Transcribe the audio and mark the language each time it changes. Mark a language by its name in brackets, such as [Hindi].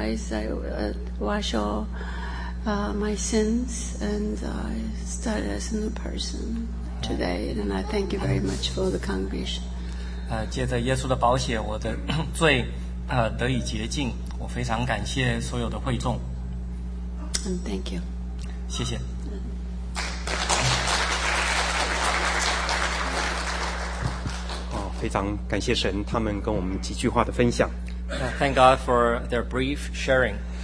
[English] I wash all my sins and I start as a new person today. And I thank you very much for the congregation. [Chinese] 借着耶稣的宝血，我的罪得以洁净。我非常感谢所有的会众。 [English] And thank you. [Chinese] 谢谢。非常感谢神，他们跟我们几句话的分享。 [English] Thank God for their brief sharing.